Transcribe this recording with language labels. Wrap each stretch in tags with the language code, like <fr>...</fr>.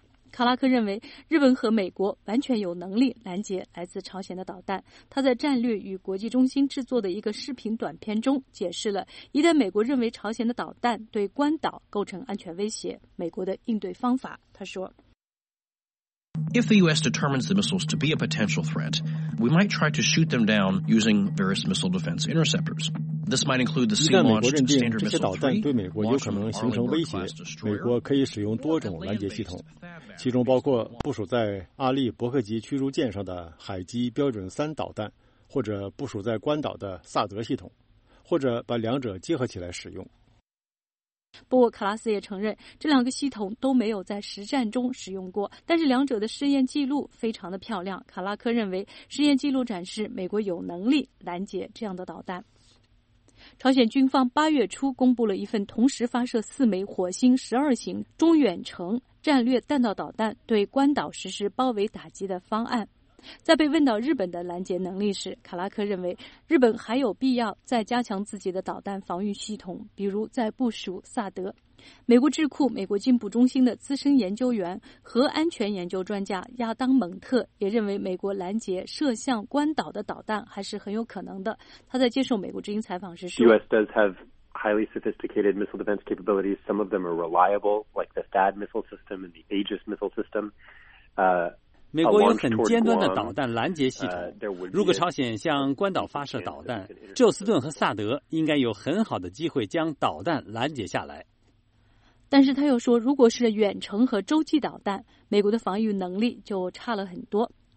<zh>卡拉克认为，日本和美国完全有能力拦截来自朝鲜的导弹。他在战略与国际中心制作的一个视频短片中解释了，一旦美国认为朝鲜的导弹对关岛构成安全威胁，美国的应对方法。他说，</zh> <en>If the U.S. determines the missiles to be a potential threat, we might try to shoot them down using various missile defense interceptors. This might include the sea-launched standard missile</en> <zh>3. 一旦美国认定这些导弹对美国有可能形成威胁，美国可以使用多种拦截系统，其中包括部署在阿利伯克级驱逐舰上的海基标准3导弹，或者部署在关岛的萨德系统，或者把两者结合起来使用。不过卡拉斯也承认，这两个系统都没有在实战中使用过，但是两者的试验记录非常的漂亮。卡拉科认为，试验记录展示美国有能力拦截这样的导弹。朝鲜军方八月初公布了一份同时发射四枚火星十二型中远程战略弹道导弹对关岛实施包围打击的方案。在被问到日本的拦截能力时，卡拉克认为日本还有必要再加强自己的导弹防御系统，比如在部署萨德。美国智库美国进步中心的资深研究员核安全研究专家亚当蒙特也认为美国拦截射向关岛的导弹还是很有可能的。他在接受美国之音采访时说，</zh> <en>US does have highly sophisticated missile defense capabilities. Some of them are reliable, like the THAAD missile system and the Aegis missile system.</en> <zh>美国有很尖端的导弹拦截系统，如果朝鲜向关岛发射导弹，宙斯顿和萨德应该有很好的机会将导弹拦截下来。但是他又说，如果是远程和洲际导弹，美国的防御能力就差了很多。</zh>